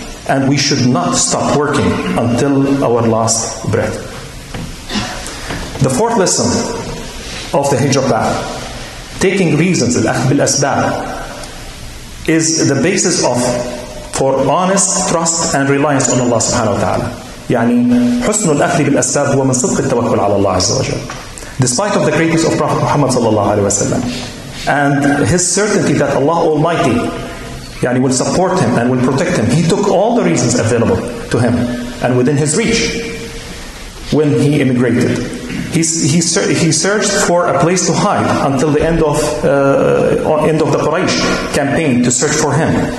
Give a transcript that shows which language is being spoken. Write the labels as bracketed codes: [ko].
[en] And we should not stop working until our last breath. The fourth lesson of the Hijra path, taking reasons, [ar] al-akhd bil-asbab, [en] is the basis of for honest trust and reliance on Allah subhanahu wa ta'ala. [ar] يعني حسن الأخذ بالأسباب هو من صدق التوكل على الله عز وجل. [en] Despite of the greatness of Prophet Muhammad sallallahu alaihi wasallam and his certainty that Allah Almighty [ar] يعني [en] will support him and will protect him, he took all the reasons available to him and within his reach when he immigrated. He searched for a place to hide until the end of the Quraysh campaign to search for him.